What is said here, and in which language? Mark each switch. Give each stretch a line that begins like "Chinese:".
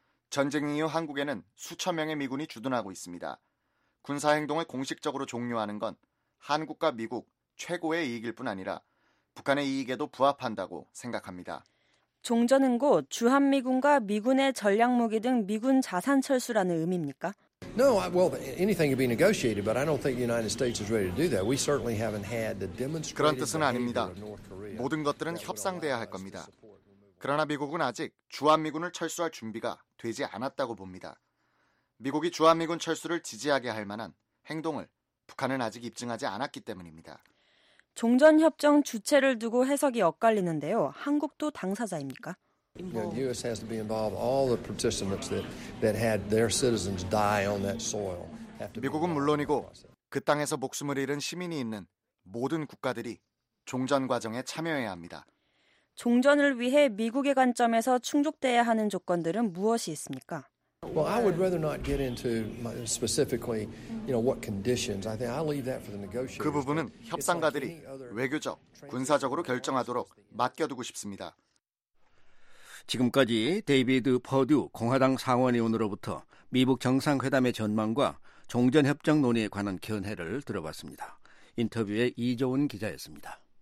Korean: 전쟁 이후 한국에는 수천 명의 미군이 주둔하고 있습니다. 군사 행동을 공식적으로 종료하는 건 한국과 미국 최고의 이익일 뿐 아니라 북한의 이익에도 부합한다고 생각합니다. 종전은 곧 주한미군과 미군의 전략무기 등 미군 자산 철수라는 의미입니까?
English: No, well, anything can be negotiated, but I don't think the United States is ready to do that. We certainly haven't had the demonstrated.
Korean: 그런 뜻은 아닙니다. 모든 것들은 협상돼야 할 겁니다. 그러나 미국은 아직 주한미군을 철수할 준비가 되지 않았다고 봅니다. 미국이 주한미군 철수를 지지하게 할 만한 행동을 북한은 아직 입증하지 않았기 때문입니다. 종전협정 주체를 두고 해석이 엇갈리는데요. 한국도 당사자입니까?
English: U.S. has to be involved. All the participants that had their citizens die on that soil.
Korean: 미국은 물론이고 그 땅에서 목숨을 잃은 시민이 있는 모든 국가들이 종전 과정에 참여해야 합니다. 종전을 위해 미국의 관점에서 충족돼야 하는 조건들은 무엇이 있습니까?
English: Well, I would rather not get into specifically, you know, what conditions. I think I'll leave that for the negotiators.
Korean: 그 부분은 협상가들이 외교적, 군사적으로 결정하도록 맡겨두고 싶습니다. 지금까지 데이비드 퍼듀 공화당 상원의원으로부터 미북 정상회담의 전망과 종전협정 논의에 관한 견해를 들어봤습니다. 인터뷰에 이조은 기자였습니다.